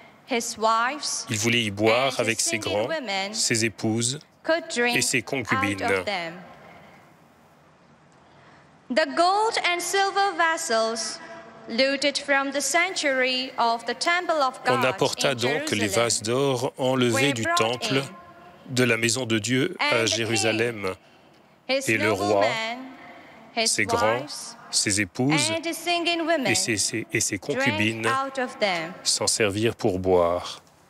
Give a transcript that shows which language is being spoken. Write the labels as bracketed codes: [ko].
[fr] Il voulait y boire avec ses grands, ses épouses et ses concubines. [en] The gold and silver vessels looted from the sanctuary of the temple of God. [fr] On apporta donc les vases d'or enlevés du temple de la maison de Dieu à Jérusalem, et le roi, ses grands, ses épouses et ses concubines s'en servirent pour boire.